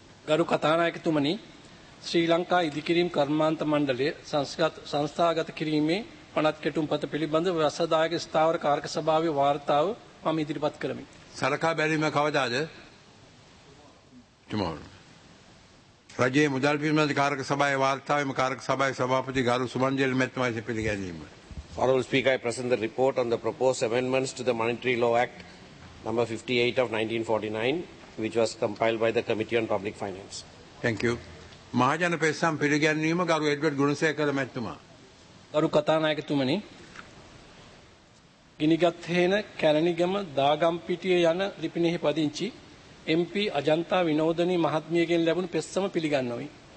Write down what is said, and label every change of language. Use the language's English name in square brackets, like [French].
[Sinhala] ගරු කථානායකතුමනි, ශ්‍රී ලංකා ඉදිකිරීම් කර්මාන්ත මණ්ඩලය සංස්ථාගත කිරීමේ පනත් කෙටුම්පත පිළිබඳ වසදායක ස්ථාවර කාර්ක සභාවේ වාර්තාව මම ඉදිරිපත් කරමි. සලකා බැලීම කවදාද? රජයේ මුදල් පිළිබඳ කාර්ක සභාවේ වාර්තාවේම කාර්ක සභාවේ සභාපති ගරු සුමන්ජල් මෙත්තම විසින් පිළිගැන්වීම. [English] Honorable Speaker, I present the report on the proposed amendments to the Monetary Law Act No. 58 of 1949, which was compiled by the Committee on Public Finance. Thank you. [Sinhala] මහජන පෙස්සම් පිළිගැන්වීම ගරු එඩ්වඩ් ගුණසේකර මහත්මයා. ගරු කථානායකතුමනි, ගිනිගත් හේන කැලණිගම දාගම්පිටිය යන ලිපිනෙහි පදිංචි MP අජන්තා විනෝදනී මහත්මියගෙන් ලැබුණු පෙස්සම පිළිගන්නවයි.